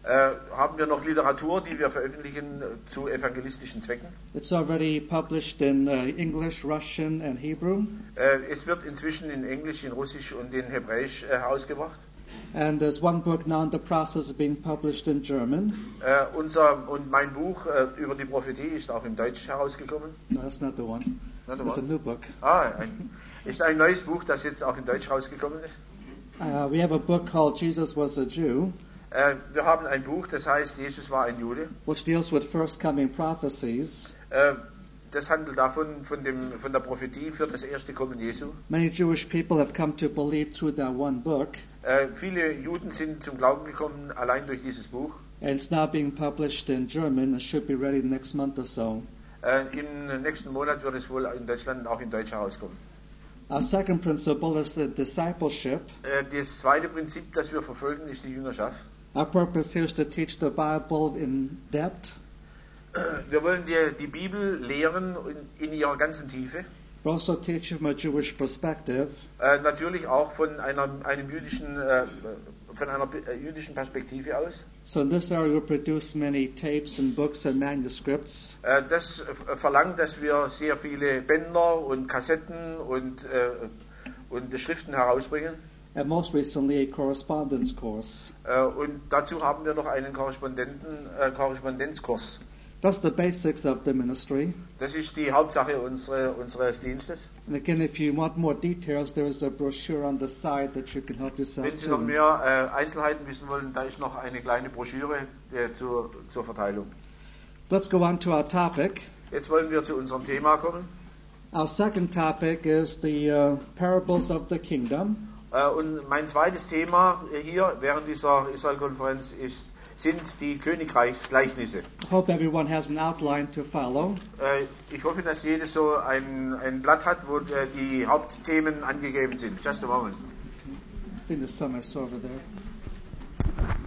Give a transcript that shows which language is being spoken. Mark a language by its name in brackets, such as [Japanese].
[German] Haben wir noch Literatur, die wir veröffentlichen zu evangelistischen Zwecken? [English] It's already published in English, Russian, and Hebrew. [German] Es wird inzwischen in Englisch, in Russisch und in Hebräisch herausgebracht. [English] And there's one book now in the process of being published in German. [German] Mein Buch über die Prophetie ist auch im Deutsch herausgekommen. [English] No, that's not the one. It's a new book. [German] Ist ein neues Buch, das jetzt auch in Deutsch rausgekommen ist. [English] We have a book called Jesus Was a Jew. [German] Wir haben ein Buch, das heißt Jesus war ein Jude. [English] Which deals with first coming prophecies. [German] Das handelt davon, von der Prophetie für das erste Kommen Jesu. [English] Many Jewish people have come to believe through that one book. [German] Viele Juden sind zum Glauben gekommen allein durch dieses Buch. [English] And it's now being published in German. It should be ready next month or so. [German] Im nächsten Monat wird es wohl in Deutschland auch in Deutsch herauskommen. [English] Our second principle is the discipleship. [German] Das zweite Prinzip, das wir verfolgen, ist die Jüngerschaft. [English] Our purpose here is to teach the Bible in depth. [German] Wir wollen dir die Bibel lehren in ihrer ganzen Tiefe. [English] We also teach from a Jewish perspective. [German] Natürlich auch von einer jüdischen Perspektive aus. [English] So in this area we produce many tapes and books and manuscripts. [German] Das verlangt, dass wir sehr viele Bänder und Kassetten und Schriften herausbringen. [English] And most recently a correspondence course. [German] Und dazu haben wir noch einen Korrespondenzkurs. [English] That's the basics of the ministry. [German] Das ist die Hauptsache unseres Dienstes. [English] And again, if you want more details, there is a brochure on the side that you can help yourself. [German] Wenn Sie noch mehr Einzelheiten wissen wollen, da ist noch eine kleine Broschüre zur Verteilung. [English] Let's go on to our topic. [German] Jetzt wollen wir zu unserem Thema kommen. [English] Our second topic is the parables of the kingdom. [German] Und mein zweites Thema hier während dieser Israel-Konferenz ist sind die Königreichsgleichnisse. [English] Hope everyone has an outline to follow. [German] Ich hoffe, dass jeder so ein Blatt hat, wo die Hauptthemen angegeben sind. [English] Just a moment. I think there's some over there.